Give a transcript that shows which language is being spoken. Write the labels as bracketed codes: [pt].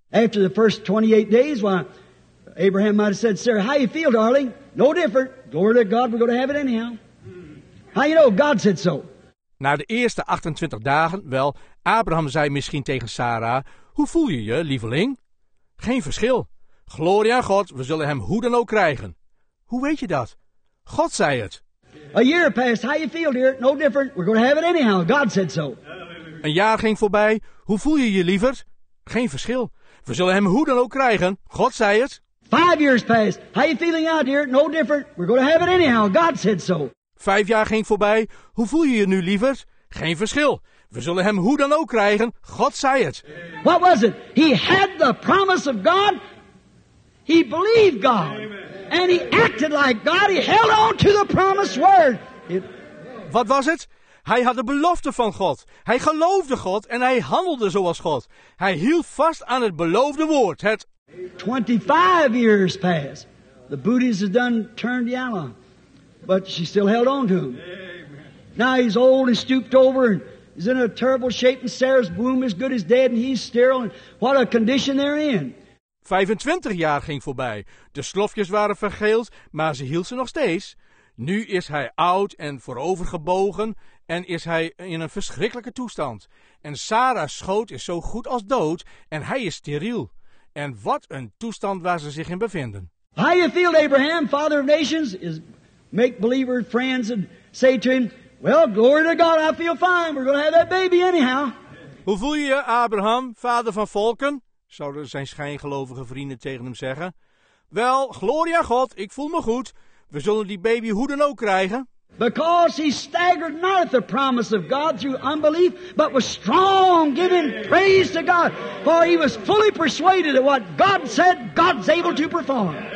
[en] After the first 28 days, Abraham might have said, Sarah, how you feel, darling? No different. Glory to God, we're going to have it anyhow. How you know God said so? [nl] Na de eerste 28 dagen, wel, Abraham zei misschien tegen Sarah, hoe voel je je, lieveling? Geen verschil. Gloria aan God, we zullen hem hoe dan ook krijgen. Hoe weet je dat? God zei het. [en] A year passed. How you feel, dear? No different. We're going to have it anyhow. God said so. [nl] Een jaar ging voorbij. Hoe voel je je, lieverd? Geen verschil. We zullen hem hoe dan ook krijgen. God zei het. [en] 5 years passed. How you feeling out, dear? No different. We're going to have it anyhow. God said so. [nl] 5 jaar ging voorbij. Hoe voel je je nu, lieverd? Geen verschil. We zullen hem hoe dan ook krijgen. God zei het. [en] What was it? He had the promise of God. He believed God. Amen. And he acted like God. He held on to the promised word. [nl] Wat was het? Hij had de belofte van God. Hij geloofde God en hij handelde zoals God. Hij hield vast aan het beloofde woord. Het [en] 25 years passed. The booties had done turned yellow. But she still held on to him. Now he's old and stooped over and he's in a terrible shape. And Sarah's womb is good as dead and he's sterile. And what a condition they're in. [nl] 25 jaar ging voorbij. De slofjes waren vergeeld, maar ze hield ze nog steeds. Nu is hij oud en voorovergebogen en is hij in een verschrikkelijke toestand. En Sarah's schoot is zo goed als dood en hij is steriel. En wat een toestand waar ze zich in bevinden. [en] How you feel, Abraham, father of nations, is make believer friends and say to him, well, glory to God, I feel fine, we're going to have that baby anyhow. [nl] Hoe voel je je, Abraham, vader van volken? Zouden zijn schijngelovige vrienden tegen hem zeggen. Wel, gloria God, ik voel me goed. We zullen die baby hoe dan ook krijgen. [en] Because he staggered not at the promise of God through unbelief, but was strong, giving praise to God. For he was fully persuaded that what God said, God's able to perform.